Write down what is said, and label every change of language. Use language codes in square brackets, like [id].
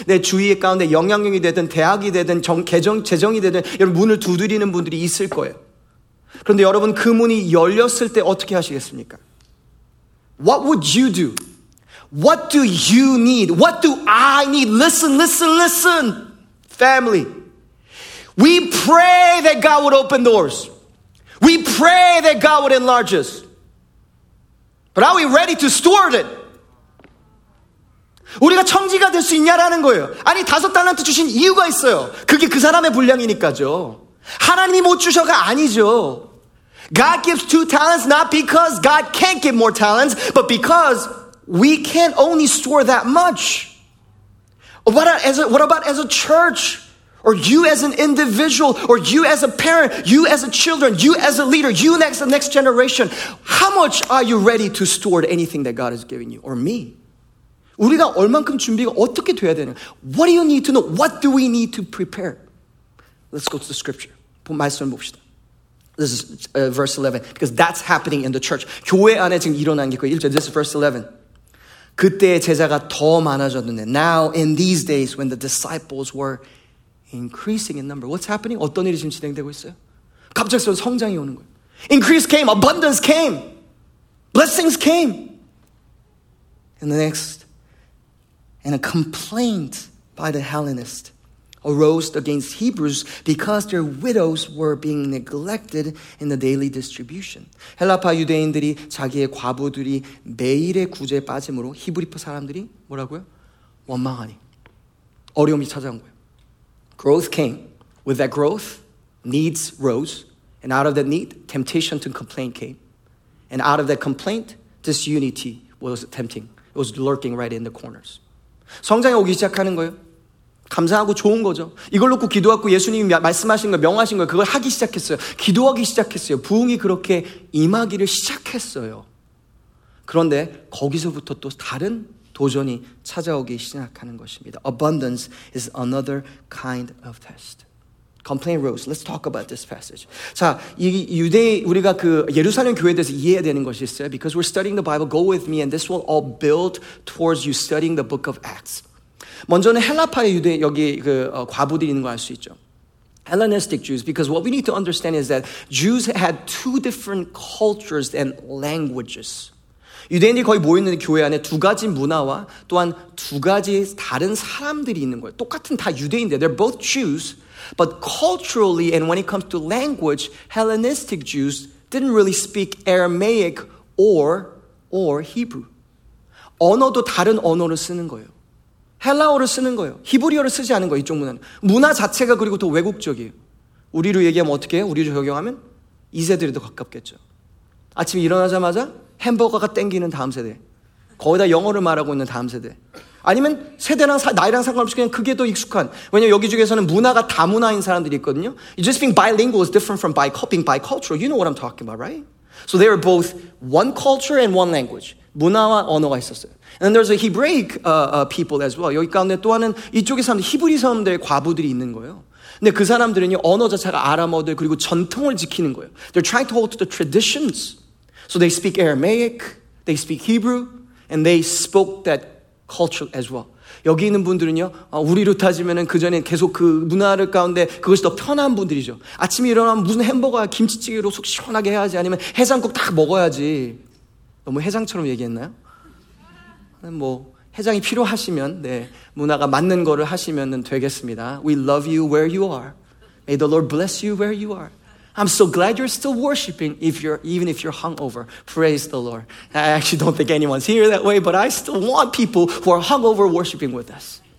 [ko] 내 주위에 가운데 영향력이 되든 대학이 되든 재정이 되든 여러분 문을 두드리는 분들이 있을 거예요. 그런데 여러분 그 문이 열렸을 때 어떻게 하시겠습니까? [en] What would you do? What do you need? What do I need? Listen, listen, listen, family. We pray that God would open doors. We pray that God would enlarge us. But are we ready to steward it? [ko] 우리가 청지가 될 수 있냐라는 거예요. 아니 다섯 달란트 주신 이유가 있어요. 그게 그 사람의 분량이니까죠. 하나님이 못 주셔가 아니죠. [en] God gives two talents not because God can't give more talents, but because we can't only store that much. What about as a church? Or you as an individual, or you as a parent, you as a children, you as a leader, you next, the next generation. How much are you ready to store anything that God has given you? Or me? [ko] 우리가 얼만큼 준비가 어떻게 돼야 되는? [en] What do you need to know? What do we need to prepare? Let's go to the scripture. [ko] 말씀을 봅시다. [en] This is verse 11. Because that's happening in the church. [ko] 교회 안에 지금 일어난 게 그 1절. [en] This is verse 11. [ko] 그때 제자가 더 많아졌는데. [en] Now in these days when the disciples were increasing in number. What's happening? [ko] 어떤 일이 지금 진행되고 있어요? 갑작스러운 성장이 오는 거예요. [en] Increase came. Abundance came. Blessings came. And the next. And a complaint by the Hellenists arose against Hebrews because their widows were being neglected in the daily distribution. [ko] 헬라파 유대인들이 자기의 과부들이 매일의 구제에 빠짐으로 히브리파 사람들이 뭐라고요? 원망하니. 어려움이 찾아온 거예요. [en] Growth came. With that growth, needs rose. And out of that need, temptation to complain came. And out of that complaint, disunity was tempting. It was lurking right in the corners. [ko] 성장이 오기 시작하는 거예요. 감사하고 좋은 거죠. 이걸 놓고 기도하고 예수님이 말씀하신 거, 명하신 거, 그걸 하기 시작했어요. 기도하기 시작했어요. 부흥이 그렇게 임하기를 시작했어요. 그런데 거기서부터 또 다른 도전이 찾아오기 시작하는 것입니다. [en] Abundance is another kind of test. Complaint rose. Let's talk about this passage. [ko] 자, 이 유대 우리가 그 예루살렘 교회에 대해서 이해해야 되는 것이 있어요. [en] Because we're studying the Bible, go with me, and this will all build towards you studying the book of Acts. [ko] 먼저는 헬라파의 유대 여기 그 과부들이 있는 거 알 수 있죠. [en] Hellenistic Jews, because what we need to understand is that Jews had two different cultures and languages. [ko] 유대인들이 거의 모여있는 교회 안에 두 가지 문화와 또한 두 가지 다른 사람들이 있는 거예요. 똑같은 다 유대인들. [en] They're both Jews, but culturally and when it comes to language, Hellenistic Jews didn't really speak Aramaic or Hebrew. [ko] 언어도 다른 언어를 쓰는 거예요. 헬라어를 쓰는 거예요. 히브리어를 쓰지 않은 거예요, 이쪽 문화는. 문화 자체가 그리고 또 외국적이에요. 우리로 얘기하면 어떻게 해요? 우리로 적용하면? 이세들에도 가깝겠죠. 아침에 일어나자마자 햄버거가 땡기는 다음 세대. 거의 다 영어를 말하고 있는 다음 세대. 아니면 세대랑 나이랑 상관없이 그냥 그게 더 익숙한. 왜냐면 여기 중에서는 문화가 다문화인 사람들이 있거든요. [en] You just being bilingual is different from being bicultural. You know what I'm talking about, right? So they were both one culture and one language. [ko] 문화와 언어가 있었어요. [en] And there's a Hebraic people as well. [ko] 여기 가운데 또 하나는 이쪽의 사람들, 히브리 사람들의 과부들이 있는 거예요. 근데 그 사람들은요, 언어 자체가 아람어들 그리고 전통을 지키는 거예요. [en] They're trying to hold to the traditions. So they speak Aramaic, they speak Hebrew, and they spoke that culture as well. [ko] 여기 있는 분들은요, 우리로 따지면은 그 전에 계속 그 문화를 가운데 그것이 더 편한 분들이죠. 아침에 일어나면 무슨 햄버거야, 김치찌개로 속 시원하게 해야지, 아니면 해장국 딱 먹어야지. 너무 해장처럼 얘기했나요? 뭐 해장이 필요하시면 네 문화가 맞는 거를 하시면은 되겠습니다. [en] We love you where you are. May the Lord bless you where you are. I'm so glad you're still worshiping even if you're hungover. Praise the Lord. I actually don't think anyone's here that way, but I still want people who are hungover worshiping with us.